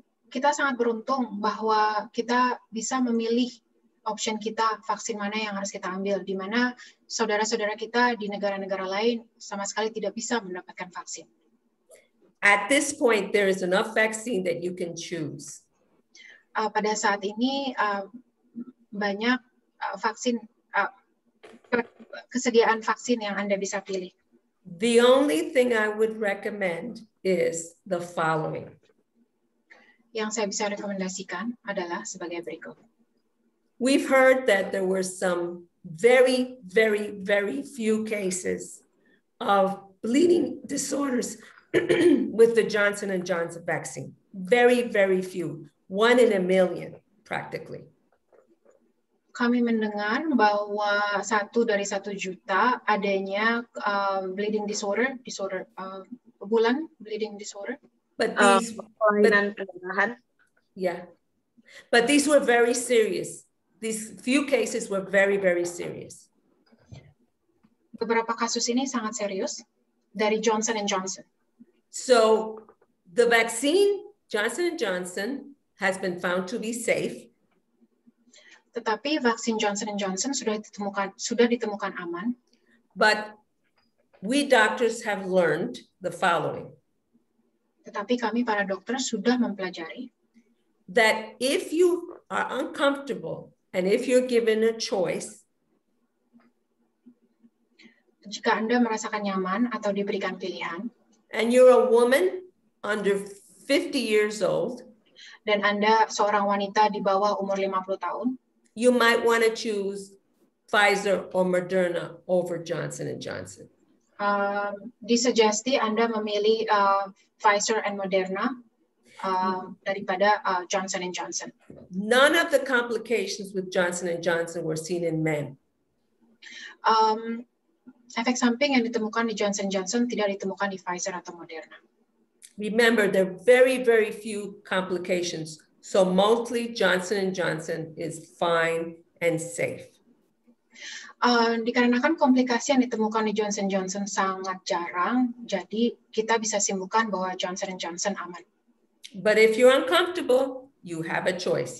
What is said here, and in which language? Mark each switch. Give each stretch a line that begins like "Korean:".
Indonesian: Kita sangat beruntung bahwa kita bisa memilih option kita vaksin mana yang harus kita ambil, di mana saudara-saudara kita di negara-negara lain sama sekali tidak bisa mendapatkan vaksin.
English: At this point, there is enough vaccine that you can choose.
Indonesian: Pada saat ini banyak vaksin kesediaan vaksin yang Anda bisa pilih.
English: The only thing I would recommend is the following.
Indonesian: Yang saya bisa rekomendasikan adalah sebagai berikut.
English: We've heard that there were some very, very, very few cases of bleeding disorders with the Johnson & Johnson vaccine. Very, very few. 1 in 1 million, practically.
Indonesian: Kami mendengar bahwa 1 dari 1 juta adanya bleeding disorder bulan
English: bleeding disorder. But these
Indonesian: kelainan pendarahan.
English: Yeah. But these were very serious. These few cases were very very serious.
Indonesian: Beberapa kasus ini sangat serius dari Johnson & Johnson.
English: So the vaccine Johnson & Johnson has been found to be safe.
Indonesian: Tetapi vaksin Johnson & Johnson sudah ditemukan aman.
English: But we doctors have learned the following.
Indonesian: Tetapi kami para dokter sudah mempelajari
English: that if you are uncomfortable and if you're given a choice,
Indonesian: jika Anda merasakan nyaman atau diberikan pilihan,
English: and you're a woman under 50 years old,
Indonesian: dan Anda seorang wanita di bawah umur 50 tahun,
English: you might want to choose Pfizer or Moderna over Johnson & Johnson.
Indonesian: Disuggesti Anda memilih Pfizer and Moderna daripada Johnson & Johnson.
English: None of the complications with Johnson & Johnson were seen in men.
Indonesian: Efek samping yang ditemukan di Johnson & Johnson tidak ditemukan di Pfizer atau Moderna.
English: Remember, there are very, very few complications. So mostly Johnson & Johnson is fine and safe.
Indonesian: Dikarenakan komplikasi yang ditemukan di Johnson & Johnson sangat jarang, jadi kita bisa simpulkan bahwa Johnson & Johnson aman.
English: But if you're uncomfortable, you have a choice.